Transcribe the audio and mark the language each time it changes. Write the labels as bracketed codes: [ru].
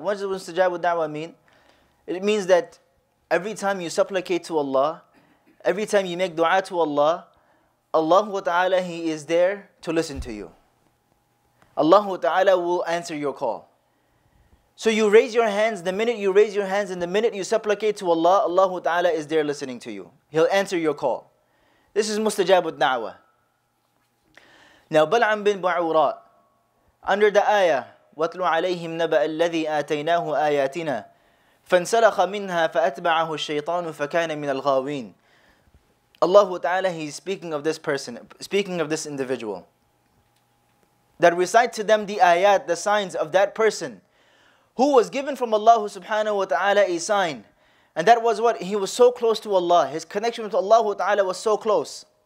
[en] What does mustajab al-da'wah mean? It means that every time you supplicate to Allah, every time you make dua to Allah, Allah Ta'ala, He is there to listen to you. Allah Ta'ala will answer your call. So you raise your hands, the minute you raise your hands and the minute you supplicate to Allah, Allah Ta'ala is there listening to you. He'll answer your call. This is mustajab al-da'wah. Now, Bal'am bin Ba'ura, under the ayah, [ar] وَاتْلُ عَلَيْهِمْ نَبَأَ الَّذِي آتَيْنَاهُ آيَاتِنَا فَانْسَلَخَ مِنْهَا فَأَتْبَعَهُ الشَّيْطَانُ فَكَانَ مِنَ الْغَاوِينَ. [en] Allahu Ta'ala, He's speaking of this person, speaking of this individual. That recite to them the ayat, the signs of that person who was given from Allah Subhanahu Wa Ta'ala a sign. And that was what? He was so close to Allah. His connection with Allah Ta'ala was so close.